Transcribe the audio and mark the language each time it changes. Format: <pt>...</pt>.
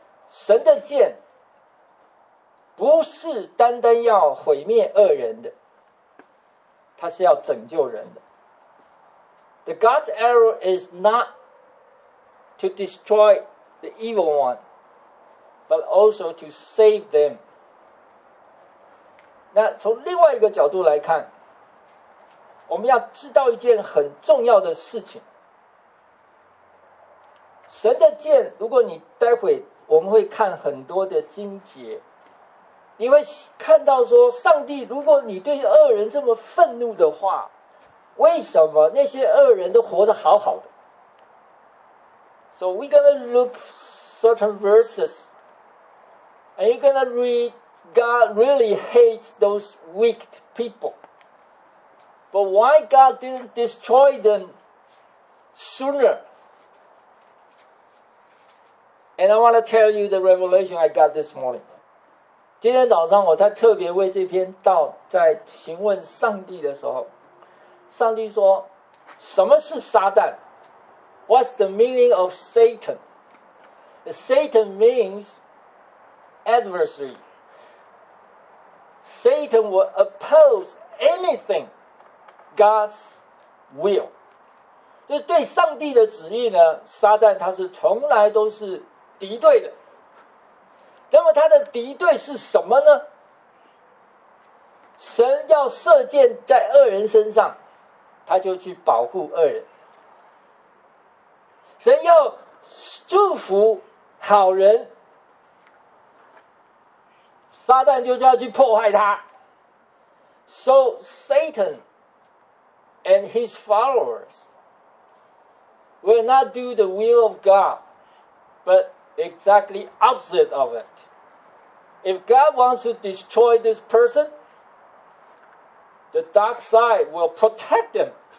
<zh>神的箭不是单单要毁灭恶人的，它是要拯救人的。</zh> <en>The God's arrow is not to destroy the evil one, but also to save them.</en> <zh>那从另外一个角度来看，我们要知道一件很重要的事情。神的箭，如果你待会我们会看很多的经节，你会看到说，上帝，如果你对恶人这么愤怒的话，为什么那些恶人都活得好好的？</zh> <en>So we're going to look certain verses and you're going to read God really hates those weak people. But why God didn't destroy them sooner? And I want to tell you the revelation I got this morning.</en> <zh>今天早上我在特别为这篇道在询问上帝的时候，上帝说，什么是撒旦？</zh> <en>What's the meaning of Satan? Satan means adversary. Satan will oppose anything God's will.</en> <zh>就是对上帝的旨意呢，撒旦他是从来都是敌对的。那么他的敌对是什么呢？神要射箭在恶人身上，他就去保护恶人。神要祝福好人，撒旦就要去破坏他。</zh> <en>So Satan and his followers will not do the will of God, but exactly opposite of it. If God wants to destroy this person, the dark side will protect him.</en>